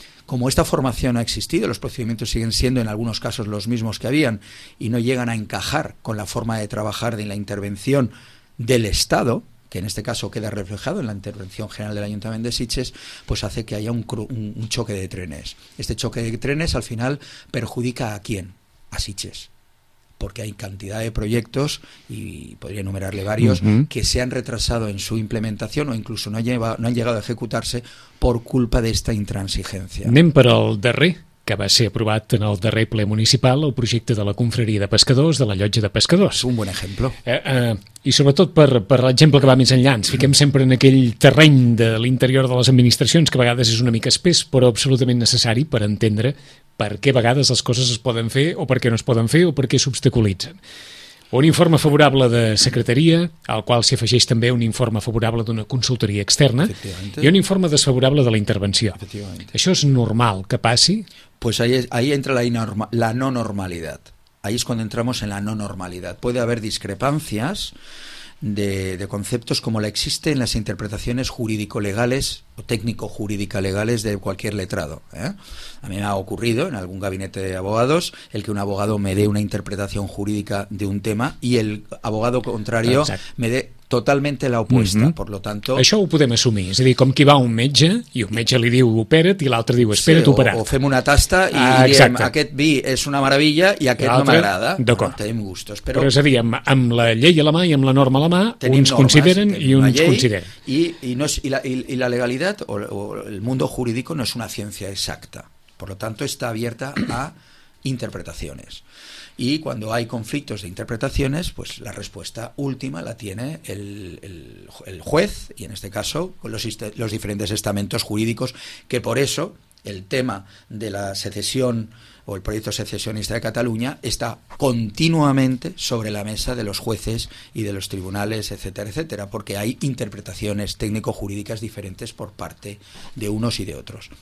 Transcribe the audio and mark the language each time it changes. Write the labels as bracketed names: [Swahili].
[Spanish] Como esta formación ha existido, los procedimientos siguen siendo en algunos casos los mismos que habían y no llegan a encajar con la forma de trabajar de la intervención del Estado, que en este caso queda reflejado en la intervención general del Ayuntamiento de Sitges, pues hace que haya un choque de trenes. Este choque de trenes al final perjudica a quién, a Sitges, porque hay cantidad de proyectos, y podría enumerarle varios, uh-huh, que se han retrasado en su implementación o incluso no han llegado a ejecutarse por culpa de esta intransigencia. [Catalan] Anem per al darrer, que va ser aprovat en el darrer ple municipal, el projecte de la confraria de pescadors de la llotja de pescadors. Un bon exemple. I sobretot per l'exemple que va més enllà, ens fiquem sempre en aquell terreny de l'interior de les administracions, que a vegades és una mica espès, però absolutament necessari per entendre per què a vegades les coses es poden fer o per què no es poden fer o per què s'obstaculitzen. Un informe favorable de secretaria, al qual s'hi afegeix també un informe favorable d'una consultoria externa, i un informe desfavorable de la intervenció. Això és normal que passi? [Spanish] Pues ahí entra la no normalidad. Ahí es cuando entramos en la no normalidad. Puede haber discrepancias de conceptos como la existe en las interpretaciones jurídico-legales o técnico-jurídica-legales de cualquier letrado, ¿eh? A mí me ha ocurrido en algún gabinete de abogados el que un abogado me dé una interpretación jurídica de un tema y el abogado contrario me dé totalmente la opuesta, uh-huh, por lo tanto... [Catalan] Això ho podem assumir, és a dir, com que hi va un metge i un metge li diu opera't i l'altre diu espera't, sí, operat. O fem una tasta i diem aquest vi és una meravella i aquest no m'agrada. D'acord. No, tenim gustos. Però és a dir, amb la llei a la mà i amb la norma a la mà, tenim uns normes, consideren i uns consideren. I no és, i la legalitat o [Spanish] el mundo jurídico [Catalan] no és una ciència exacta. [Spanish] Por lo tanto, está abierta a interpretaciones. Y cuando hay conflictos de interpretaciones, pues la respuesta última la tiene el juez, y en este caso con los diferentes estamentos jurídicos, que por eso el tema de la secesión o el proyecto secesionista de Cataluña está continuamente sobre la mesa de los jueces y de los tribunales, etcétera, etcétera, porque hay interpretaciones técnico-jurídicas diferentes por parte de unos y de otros.